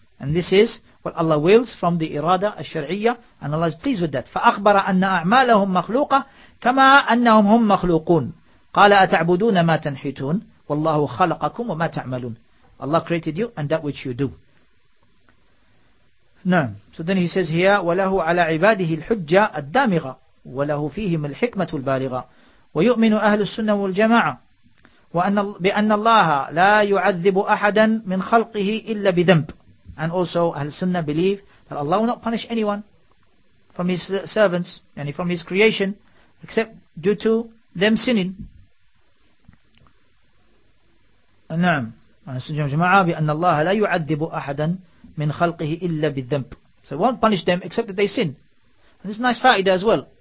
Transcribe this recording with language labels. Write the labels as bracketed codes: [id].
[en] And this is what Allah wills from the irada al-shar'iyya, and Allah is pleased with that. [ar] فَأَخْبَرَ أَنَّ أَعْمَالَهُمْ مَخْلُوقَ كَمَا أَنَّهُمْ هُمْ مَخْلُوقُونَ قَالَ أَتَعْبُدُونَ مَا تَنْحِتُونَ وَاللَّهُ خَلَقَكُمْ وَمَا تَعْمَلُونَ. [en] Allah created you and that which you do. [ar] نعم. [en] So then he says here, [ar] وَلَهُ عَلَى عِبَادِهِ الْحُجَّةَ الدَّامِغَ وَلَهُ فِيهِمَ الْحِكْمَةُ الْبَالِغَ وَيُؤْمِنُ أَهْلُ السُّنَّةِ وَالْجَمَاعَةِ بِأَنَّ اللَّهَ لَا يُعَذِّبُ أَحَدًا مِنْ خَلْقِهِ إِلَّا بِذَنْبٍ. [en] And also Ahl Sunnah believe that Allah will not punish anyone from his servants, yani from his creation, except due to them sinning. [ar] نعم. بأن الله لا يعذب أحدا من خلقه إلا بالذنب. [en] So he won't punish them except that they sin. And this is a nice faida as well.